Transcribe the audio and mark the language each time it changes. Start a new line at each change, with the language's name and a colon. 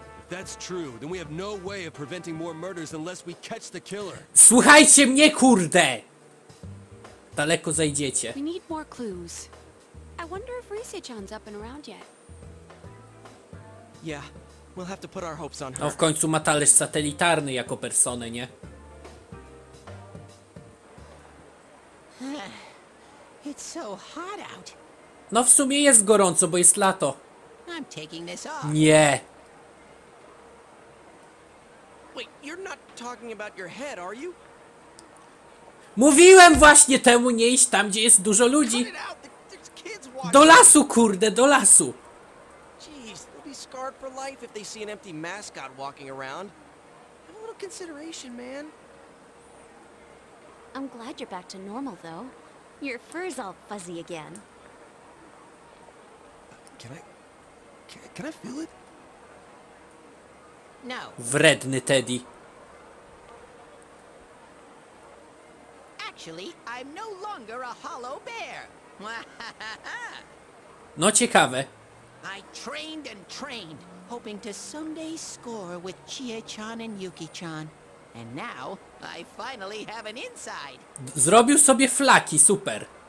English: If that's true, then we have no way of preventing more murders unless we catch the killer.
Polish: Słuchajcie mnie, kurde! Daleko zajdziecie.
English: We need more clues. I wonder if Risa-chan's up and around yet. Yeah, we'll have to put our hopes on her.
Polish: No w końcu ma talerz satelitarny jako personę, nie?
English: It's so hot out.
Polish: No w sumie jest gorąco, bo jest lato.
English: I'm taking this off.
Polish: Nie.
English: Wait, you're not talking about your head, are you?
Polish: Mówiłem właśnie temu nie iść tam, gdzie jest dużo ludzi. Do lasu, kurde, do lasu.
English: Scarred for life if they see an empty mascot walking around. Have a little consideration, man. I'm glad you're back to normal, though. Your fur's all fuzzy again. Can I feel it? No.
Polish: Wredny Teddy.
English: Actually, I'm no longer a hollow bear.
Polish: No ciekawe.
English: I trained and trained, hoping to someday score with Chie-chan and Yuki-chan. And now, I finally have an inside.
Polish: Zrobił sobie flaki, super.